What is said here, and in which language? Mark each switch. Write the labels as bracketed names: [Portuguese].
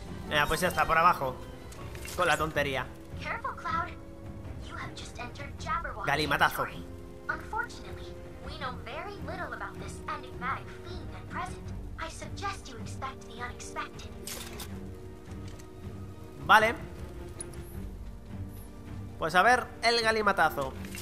[Spanish] Ya, pues ya está, por abajo. Con la tontería. [English] Careful, Cloud. You have just entered Jabberwock. [Spanish] Galimatazo. [English] Unfortunately, we know very little about this enigmatic fiend at present. I suggest you expect the unexpected. [Spanish] Vale. Pues a ver, el galimatazo.